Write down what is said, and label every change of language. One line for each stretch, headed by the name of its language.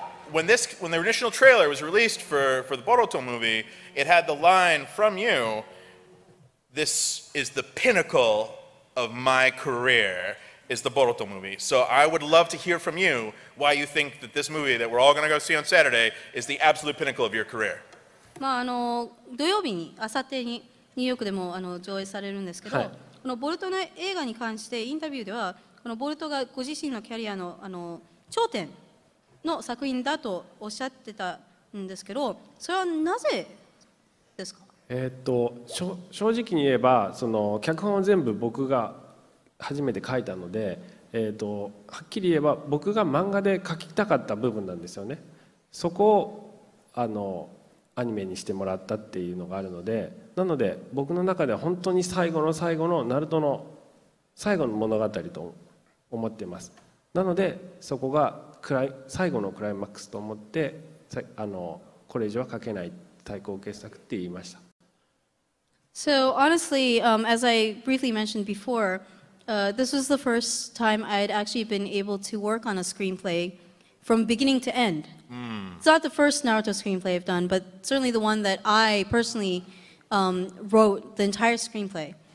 English: When the original trailer was released for the Boruto movie, it had the line from you, "This is the pinnacle." Of my career is the Boruto movie. So I would love to hear from you why you think that this movie that we're all going to go see on Saturday is the absolute pinnacle of your career.
Japanese: まああの土曜日に明後日にニューヨークでもあの上映されるんですけど、はい、このボルトの映画に関してインタビューではこのボルトがご自身のキャリアのあの頂点の作品だとおっしゃってたんですけど、それはなぜですか？正直に言えばその脚本を全部僕が初めて書いたので、はっきり言えば僕が漫画で書きたかった部分なんですよね。そこをあのアニメにしてもらったっていうのがあるので、なので僕の中では本当に最後の最後のナルトの最後の物語と思っています。なのでそこが最後のクライマックスと思って、あのこれ以上は書けない対抗傑作って言いました。
English: So honestly, as I briefly mentioned before, this was the first time I'd actually been able to work on a screenplay from beginning to end. It's not the first Naruto screenplay I've done, but certainly the one that I personally wrote the entire screenplay.